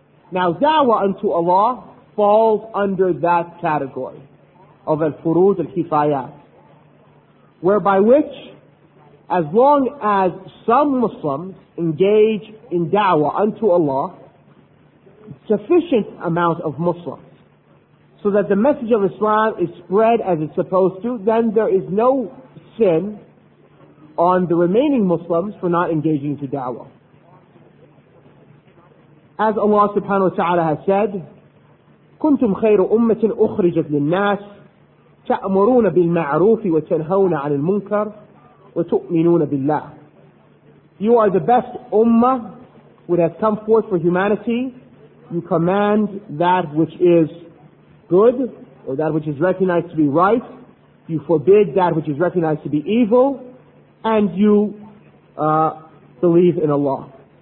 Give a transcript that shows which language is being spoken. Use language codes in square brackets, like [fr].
[en] Now, da'wah unto Allah falls under that category of al-furud al-kifayat, whereby which, as long as some Muslims engage in da'wah unto Allah, sufficient amount of Muslims, so that the message of Islam is spread as it's supposed to, then there is no sin on the remaining Muslims for not engaging in da'wah. As Allah subhanahu wa ta'ala has said, [ar] كُنْتُمْ خَيْرُ أُمَّةٍ أُخْرِجَتْ لِلنَّاسِ تَأْمُرُونَ بِالْمَعْرُوفِ وَتَنْهَوْنَ عَنِ الْمُنْكَرِ وَتُؤْمِنُونَ بِاللَّهِ. [en] You are the best ummah which has come forth for humanity. You command that which is good, or that which is recognized to be right. You forbid that which is recognized to be evil. And you believe in Allah.